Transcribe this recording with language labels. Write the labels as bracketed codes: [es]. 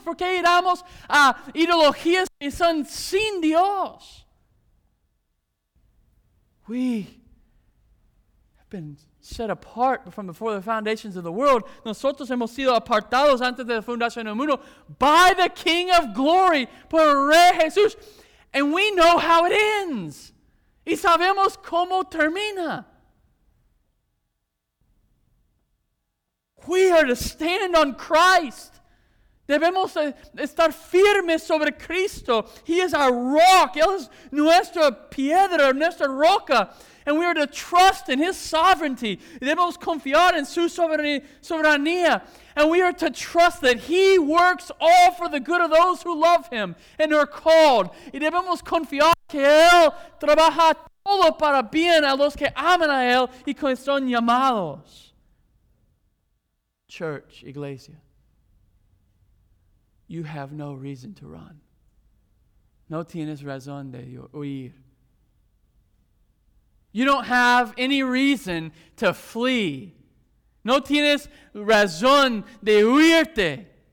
[es] ¿Por qué iramos a ideologías que son sin Dios? [en] We have been set apart from before the foundations of the world. [es] Nosotros hemos sido apartados antes de la fundación del mundo [en] by the King of Glory, [es] por el Rey Jesús. [en] And we know how it ends. [es] Y sabemos cómo termina. [en] We are to stand on Christ. [es] Debemos estar firmes sobre Cristo. [en] He is our rock. [es] Él es nuestra piedra, nuestra roca. [en] And we are to trust in His sovereignty. [es] Debemos confiar en su soberanía. [en] And we are to trust that He works all for the good of those who love Him and are called. [es] Y debemos confiar que Él trabaja todo para bien a los que aman a Él y que son llamados. [en] Church, iglesia, you have no reason to run. [es] No tienes razón de huir. [en] You don't have any reason to flee. [es] No tienes razón de huirte.